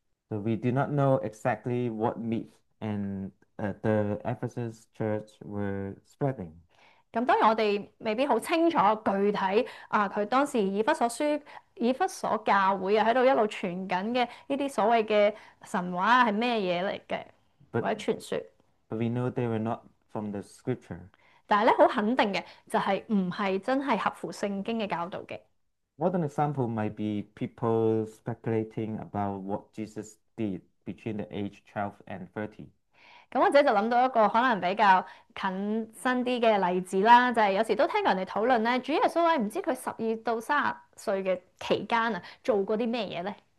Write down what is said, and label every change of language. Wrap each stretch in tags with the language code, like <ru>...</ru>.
<en>So we do not know exactly what myth and the Ephesus church were spreading.</en> <yue>咁當然我哋未必好清楚具體啊，佢當時以弗所教會啊喺度一路傳緊嘅呢啲所謂嘅神話係咩嘢嚟嘅，或者傳說。</yue> <en>But we know they were not from the scripture.</en> <yue>但係咧，好肯定嘅就係唔係真係合乎聖經嘅教導嘅。</yue> <en>What an example might be people speculating about what Jesus did between the age 12 and 30?</en> <yue>咁或者就諗到一個可能比較近身啲嘅例子啦，就係、是、有時都聽過人哋討論咧，主耶穌咧唔知佢12到30歲嘅期間啊，做過啲咩嘢咧？</yue>